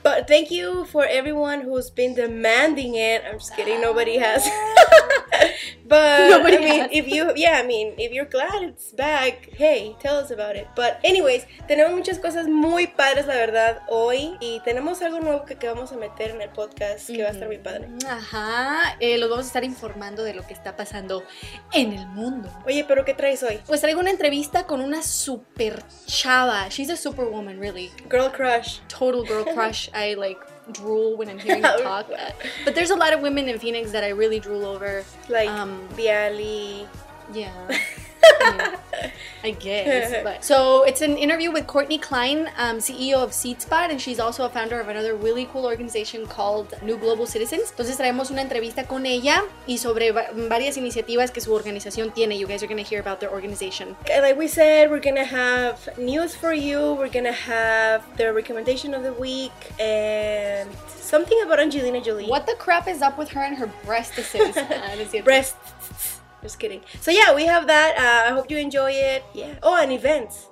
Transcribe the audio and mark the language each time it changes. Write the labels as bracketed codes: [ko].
[en] But thank you for everyone who's been demanding it. I'm just kidding. Nobody has. But nobody if you're glad it's back, hey, tell us about it. But anyways, [es] tenemos muchas cosas muy padres, la verdad, hoy. Y tenemos algo nuevo que vamos a meter en el podcast, que va a estar muy padre. Ajá, los vamos a estar informando de lo que está pasando en el mundo. Oye, ¿pero qué traes hoy? Pues traigo una entrevista con una super chava. [en] She's a superwoman, really. Girl crush. Total girl crush. I like drool when I'm hearing you talk. But there's a lot of women in Phoenix that I really drool over. Like Diali. Yeah. I guess. But so it's an interview with Courtney Klein, CEO of SeedSpot, and she's also a founder of another really cool organization called New Global Citizens. [es] Entonces traemos una entrevista con ella y sobre varias iniciativas que su organización tiene. [en] You guys are going to hear about their organization. Like we said, we're going to have news for you. We're going to have the recommendation of the week and something about Angelina Jolie. What the crap is up with her and her breast assistants? Breasts. Just kidding. So yeah, we have that. I hope you enjoy it. Yeah. Oh, and events.